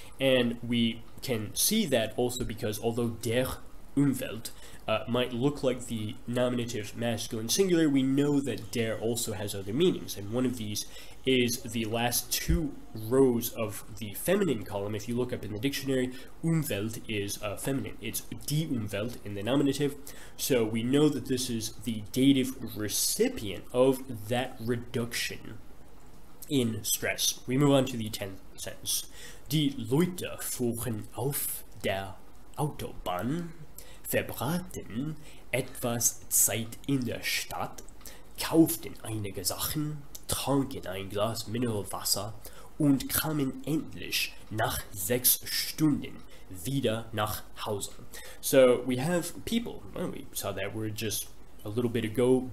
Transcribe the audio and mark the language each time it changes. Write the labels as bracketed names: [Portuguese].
[English] And we can see that also because although der Umwelt might look like the nominative masculine singular, we know that der also has other meanings, and one of these is the last two rows of the feminine column. If you look up in the dictionary, Umwelt is feminine. It's die Umwelt in the nominative. So we know that this is the dative recipient of that reduction in stress. We move on to the 10th sentence. [German] Die Leute fuhren auf der Autobahn, verbrachten etwas Zeit in der Stadt, kauften einige Sachen, tranken ein Glas Mineralwasser und kamen endlich nach 6 Stunden wieder nach Hause. [English] So we have people. Well, we saw that word just a little bit ago.